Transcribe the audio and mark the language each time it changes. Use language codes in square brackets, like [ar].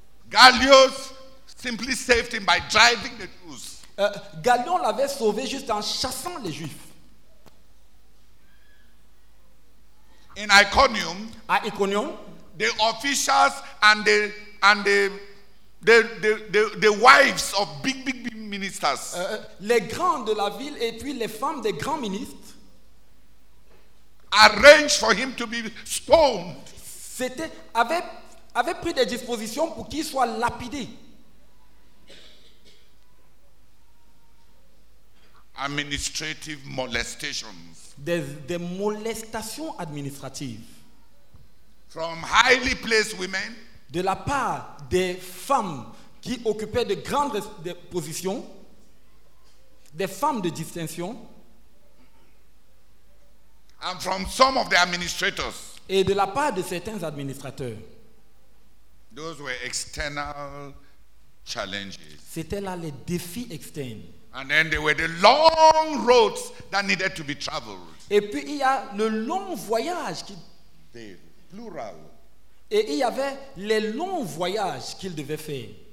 [en] Gallius simply saved him by driving the Jews. [fr] Gallion l'avait sauvé juste en chassant les Juifs. [en] In Iconium, the officials and the wives of big ministers. [fr] Les grands de la ville et puis les femmes des grands ministres [en] arranged for him to be stoned. [fr] Avait pris des dispositions pour qu'il soit lapidé. [en] Administrative molestations. [fr] Des molestations administratives. [en] From highly placed women. [fr] De la part des femmes qui occupaient de grandes positions, des femmes de distinction. [en] And from some of the administrators. [fr] Et de la part de certains administrateurs. [en] Those were external challenges. [fr] C'était là les défis externes. [en] And then there were the long roads that needed to be traveled. [fr] Et puis il y a le long voyage qui. [en] Plural. [fr] Et il y avait les longs voyages qu'il devait faire.